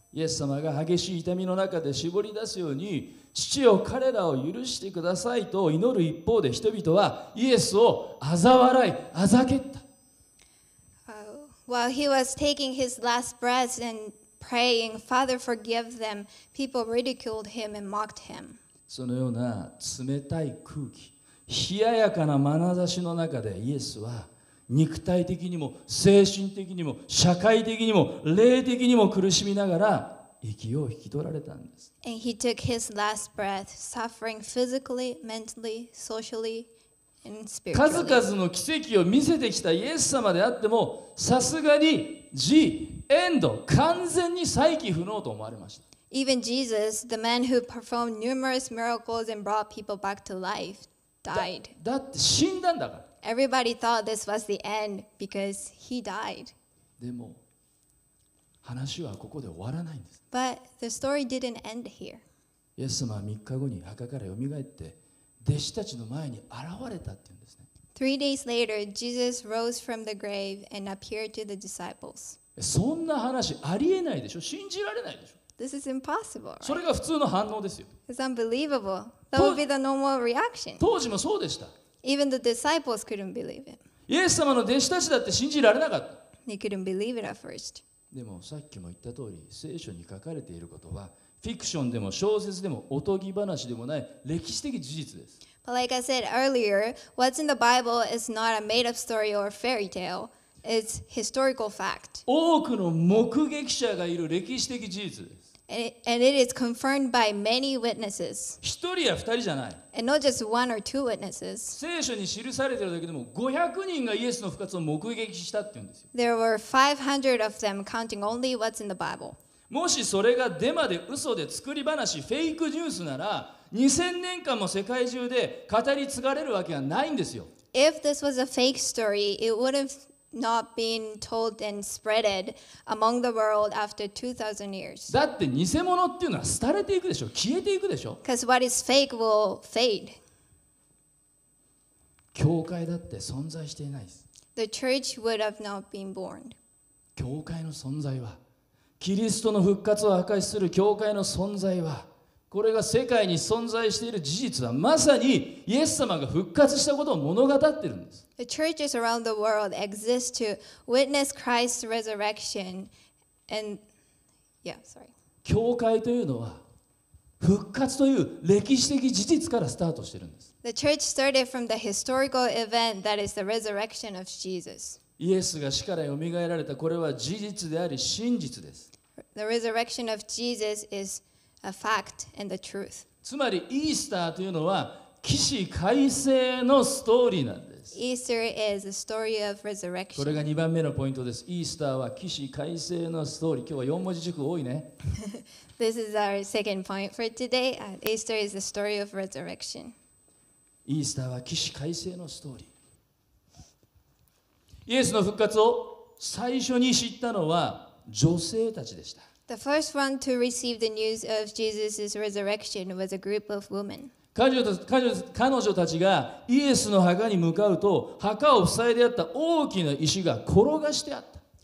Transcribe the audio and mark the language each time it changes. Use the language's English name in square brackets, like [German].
[Japanese] イエス様が激しい痛みの中で絞り出すように父を彼らを許してくださいと祈る一方で人々はイエスをあざ笑い、あざけった。 [English] While he was taking his last breath and praying, Father forgive them, people ridiculed him and mocked him. [Japanese] そのような冷たい空気、冷ややかな眼差しの中でイエスは肉体的にも精神的にも社会的にも霊的にも苦しみながら息を引き取られたんです。 [English] And he took his last breath, suffering physically, mentally, socially, and spiritually. [Japanese] 数々の奇跡を見せてきたイエス様であっても、さすがに [English] The End [Japanese] 完全に再起不能と思われました。 [English] Even Jesus, the man who performed numerous miracles and brought people back to life, died. [Japanese] だって死んだんだから。 [English] Everybody thought this was the end because he died. [Japanese] でも話はここで終わらないんです。 [English] But the story didn't end here. [Japanese] イエス様は3日後に墓からよみがえって弟子たちの前に現れたって言うんですね。 [English] 3 days later, Jesus rose from the grave and appeared to the disciples. [Japanese] そんな話ありえないでしょ。信じられないでしょ。 [English] This is impossible, right? [Japanese] それが普通の反応ですよ。 [English] It's unbelievable. That would be the normal reaction. [Japanese] 当時もそうでした。 [English] Even the disciples couldn't believe it. [Japanese] イエス様の弟子たちだって信じられなかった。 [English] They couldn't believe it at first. [Japanese] でもさっきも言った通り、聖書に書かれていることはフィクションでも小説でもおとぎ話でもない歴史的事実です。 [English] But like I said earlier, what's in the Bible is not a made-up story or fairy tale. It's historical fact. [Japanese] 多くの目撃者がいる歴史的事実です。 [English] And it is confirmed by many witnesses. [Japanese] 一人や二人じゃない。 [English] And not just one or two witnesses. [Japanese] 聖書に記されているだけでも500人がイエスの復活を目撃したって言うんですよ。 [English] There were 500 of them counting only what's in the Bible. [Japanese] もしそれがデマで嘘で作り話、フェイクニュースなら、2000年間も世界中で語り継がれるわけがないんですよ。 [English] If this was a fake story, it would have not been told and spreaded among the world after 2000 years. [Japanese] だって偽物っていうのは廃れていくでしょ、消えていくでしょ。 [English] Because what is fake will fade. [Japanese] 教会だって存在していないです。 [English] The church would have not been born. [Japanese] 教会の存在は、キリストの復活を証しする教会の存在は、これが世界に存在している事実はまさにイエス様が復活したことを物語っているんです。 [English] The churches around the world exist to witness Christ's resurrection and yeah, sorry. [Japanese] 教会というのは復活という歴史的事実からスタートしているんです。 [English] The church started from the historical event that is the resurrection of Jesus. [Japanese] イエスが死からよみがえられた、これは事実であり真実です。 [English] The resurrection of Jesus is a fact and the truth. [Japanese] つまりイースターというのは起死回生のストーリーなんです。 [English] Easter is a story of resurrection. [Japanese] これが2番目のポイントです。イースターは起死回生のストーリー。今日は4文字熟語多いね。 [English] This is our second point for today. Easter is a story of resurrection. [Japanese] イースターは起死回生のストーリー。イエスの復活を最初に知ったのは女性たちでした。 [English] The first one to receive the news of Jesus' resurrection was a group of women. [Japanese] 彼女たちがイエスの墓に向かうと、墓を塞いであった大きな石が転がしてあった。